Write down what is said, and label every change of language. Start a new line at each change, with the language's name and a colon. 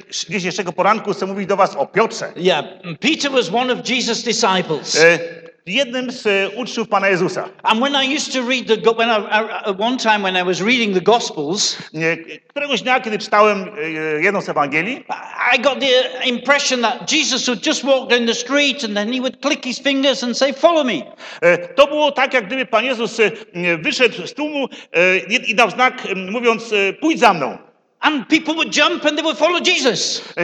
Polish: Dzisiejszego poranku chcę mówić do was o Piotrze.
English: Yeah, Peter was one of Jesus' disciples.
Polish: Jednym z uczniów Pana Jezusa.
English: And when I used to read the one time when I was reading the Gospels,
Polish: któregoś dnia, kiedy czytałem jedną z Ewangelii,
English: I got the impression that Jesus would just walk down the street and then he would click his fingers and say, follow me.
Polish: To było tak, jak gdyby Pan Jezus wyszedł z tłumu i dał znak, mówiąc, pójdź za mną.
English: And people would jump and they would follow Jesus.